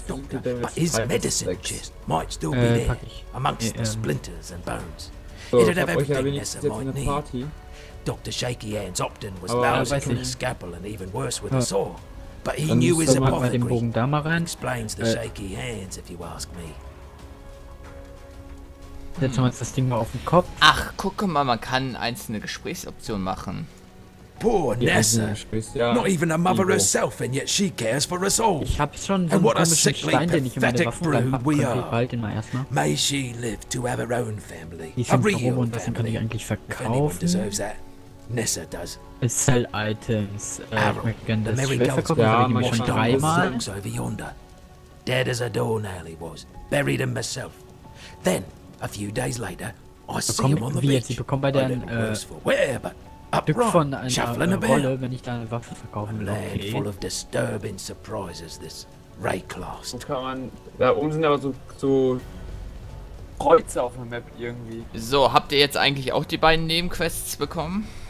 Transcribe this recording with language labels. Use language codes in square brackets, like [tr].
[en] doctor, but his medicine chest might still be there amongst the splinters and bones. It'd have everything Nessa might need. Dr. Shaky Hands Opton was lousy from the scalpel and even worse with a saw, but he knew his apothecary. Explains the shaky hands, if you ask me. [de] Setzen wir uns das Ding mal auf den Kopf. Ach, guck mal, man kann einzelne Gesprächsoptionen machen. [en] Poor Nessa! Not even a mother herself, and yet she cares for us all. [de] Ich hab schon so einen komischen Stein, den ich in meine Waffen gehabt habe. [en] May she live to have her own family. [de] Ich find warum und was kann ich eigentlich verkaufen? [en] If anyone deserves that, Nessa does. Sell items. [de] Ich möchte gerne das Schwert verkaufen, [en] aber dead as a doornail he was. Buried him myself. Then a few days later, I see him on the beach. [de] Ich bekomme bei deren, Stück von einer Rolle, wenn ich da eine Waffe verkaufen will. Okay. Da oben sind aber so Kreuze, auf dem Map irgendwie. So, habt ihr jetzt eigentlich auch die beiden Nebenquests bekommen?